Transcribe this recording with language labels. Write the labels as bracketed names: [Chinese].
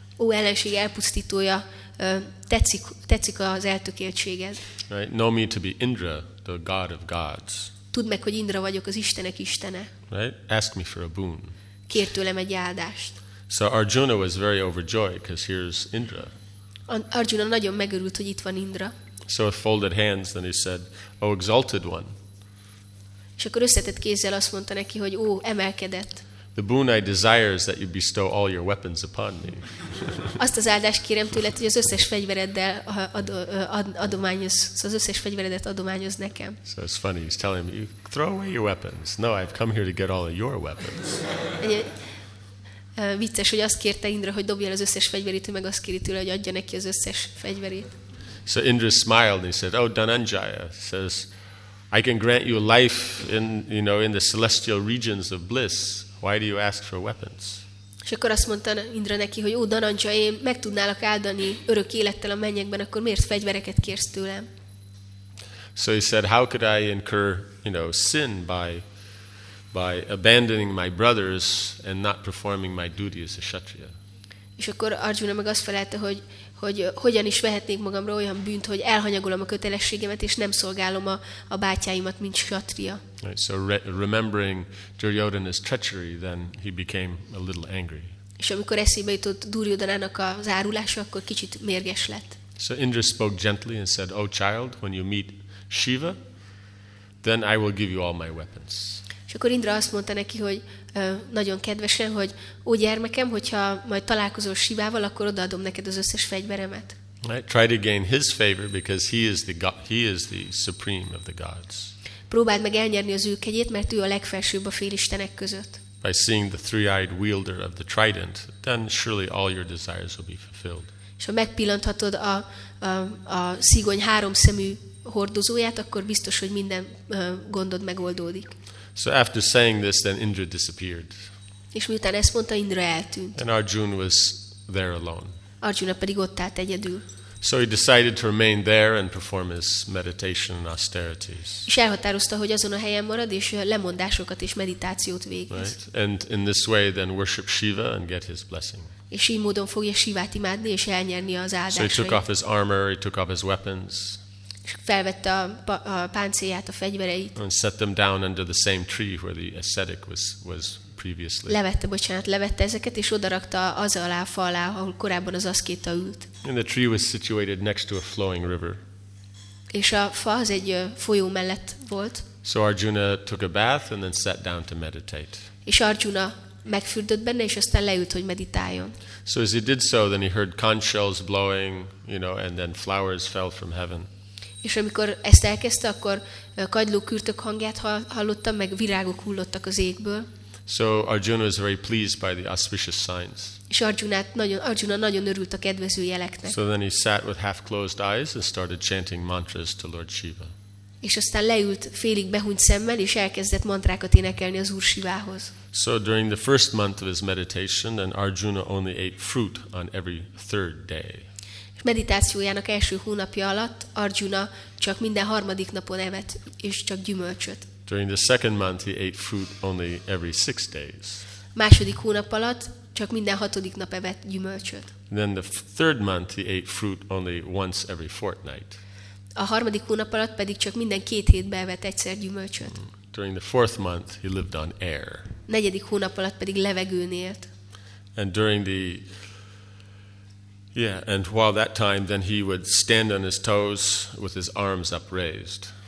[Hungarian] Ó, ellenség elpusztítója, tetszik az eltökéltséged. [English] Right? "Know me to be Indra, the god of gods." [Hungarian] tudd meg, hogy Indra vagyok, az Istenek Istene. [English] Right? Ask me for a boon. [Hungarian] Kér tőlem egy áldást. [English] So Arjuna was very overjoyed because here's Indra. [Hungarian] Arjuna nagyon megörült, hogy itt van Indra. [English] So with folded hands, then he said, "O exalted one." [Hungarian] És akkor összetett kézzel azt mondta neki, hogy ó, emelkedett. [English] The boon I desire is that you bestow all your weapons upon me. [Hungarian] Azt az áldást kérem tőled, hogy az összes fegyvereddel adományoz, szóval az összes fegyveredet adományoz nekem. [English] So it's funny, he's telling me, throw away your weapons. No, I've come here to get all of your weapons. [Hungarian] Vicces, hogy azt kérte Indra, hogy dobja el az összes fegyverét, ő meg azt kéri tőle, hogy adja neki az összes fegyverét. [English] So Indra smiled and he said, "Oh, Dhananjaya, says, I can grant you life in, you know, in the celestial regions of bliss. Why do you ask for weapons?" [Hungarian] És akkor azt mondta Indra neki, hogy ó, Dhananjaya, én meg tudnálak áldani örök élettel a mennyekben, akkor miért fegyvereket kérsz tőlem? [English] So he said, "How could I incur, you know, sin by abandoning my brothers and not performing my duty as a kshatriya?" [Hungarian] És akkor Arjuna meg azt felelte, hogy hogyan is vehetnék magamra olyan bűnt, hogy elhanyagolom a kötelességemet és nem szolgálom a bátyáimat, mint kshatriya. [English] Right, so remembering Duryodhana's treachery, then he became a little angry. [Hungarian] És amikor eszébe jutott Duryodhanának az árulása, akkor kicsit mérges lett. [English] So Indra spoke gently and said, "Oh child, when you meet Shiva, then I will give you all my weapons." [Hungarian] És akkor Indra azt mondta neki, hogy nagyon kedvesen, hogy ó gyermekem, hogyha majd találkozol Shivával, akkor odaadom neked az összes fegyveremet. [English] Right, try to gain his favor because he is the supreme of the gods. [Hungarian] Próbáld meg elnyerni az ő kegyét, mert ő a legfelsőbb a félistenek között. [English] By seeing the three-eyed wielder of the trident, then surely all your desires will be fulfilled. [Hungarian] És ha megpillanthatod a szigony háromszemű hordozóját, akkor biztos, hogy minden gondod megoldódik. [English] So after saying this, then Indra disappeared. [Hungarian] És miután ezt mondta, Indra eltűnt. [English] And Arjuna was there alone. [Hungarian] Arjuna pedig ott állt egyedül. [English] So he decided to remain there and perform his meditation and austerities. [Hungarian] És elhatározta, hogy azon a helyen marad és lemondásokat és meditációt végez. [English] Right? And in this way, then worship Shiva and get his blessing. [Hungarian] És így módon fogja Shivát imádni és elnyerni az áldásait. [English] So he took off his armor, he took off his weapons. [Hungarian] Felvette a páncélját, a fegyvereit. [English] And set them down under the same tree where the ascetic was previously. [Hungarian] Levette ezeket és odarakta az alá, a fa alá, ahol korábban az aszkéta ült. [English] And the tree was situated next to a flowing river. [Hungarian] És a fa az egy folyó mellett volt. [English] So Arjuna took a bath and then sat down to meditate. [Hungarian] És Arjuna megfürdött benne és aztán leült, hogy meditáljon. [English] So as he did so, then he heard conch shells blowing, you know, and then flowers fell from heaven. [Hungarian] És amikor ezt elkezdte, akkor kagylókürtök hangját hallottam, meg virágok hullottak az égből. [English] So Arjuna was very pleased by the auspicious signs. [Hungarian] És Arjuna nagyon örült a kedvező jeleknek. [English] So then he sat with half closed eyes and started chanting mantras to Lord Shiva. [Hungarian] És aztán leült félig behunyt szemmel és elkezdett mantrákat énekelni az Úr Shivához. [English] So during the first month of his meditation, then Arjuna only ate fruit on every third day. [Hungarian] Meditációjának első hónapja alatt Arjuna csak minden harmadik napon evett és csak gyümölcsöt. [English] During the second month he ate fruit only every 6 days. [Hungarian] Második hónap alatt csak minden hatodik nap evett gyümölcsöt. [English] Then the third month he ate fruit only once every fortnight. [Hungarian] A harmadik hónap alatt pedig csak minden két hétben evett egyszer gyümölcsöt. [English] During the fourth month he lived on air. [Hungarian] Negyedik hónap alatt pedig levegőn élt. [English] And during the Yeah, and while that time, then he would stand on his toes with his arms upraised.